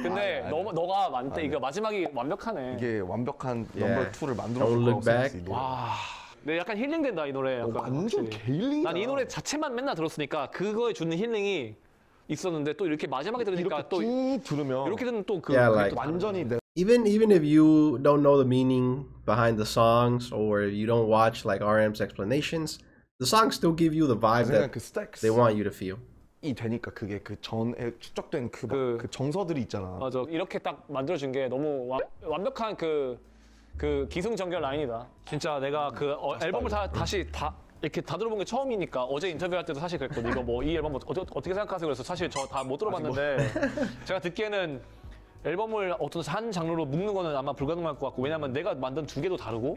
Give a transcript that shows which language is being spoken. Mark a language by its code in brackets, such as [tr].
[ko] 근데 너가 맞대. 이거 마지막이 완벽하네. 이게 완벽한 넘버 2를 만들어줄 거 없었어. 와. 근데 약간 힐링된다 이 노래. 약간 완전 힐링이다. 난 이 노래 자체만 맨날 들었으니까 그거에 주는 힐링이 있었는데 또 이렇게 마지막에 들으니까 또 이렇게 듣는 또 그 [en] yeah, like, [ko] 완전히 [en] Even if you don't know the meaning behind the songs or you don't watch like RM's explanations, the songs still give you the vibe that they want you to feel. [ko] 이 되니까 그게 그 전에 축적된 그 정서들이 있잖아. 맞아. 이렇게 딱 만들어진 게 너무 완벽한 그 기승전결 라인이다. 진짜 내가 그 앨범을 다시 이렇게 다 들어본 게 처음이니까 어제 인터뷰할 때도 사실 그랬거든. 이거 뭐 이 앨범 어떻게 생각하세요? 그래서 사실 저 다 못 들어봤는데 제가 듣기에는 앨범을 어떤 한 장르로 묶는 거는 아마 불가능할 것 같고 왜냐면 내가 만든 두 개도 다르고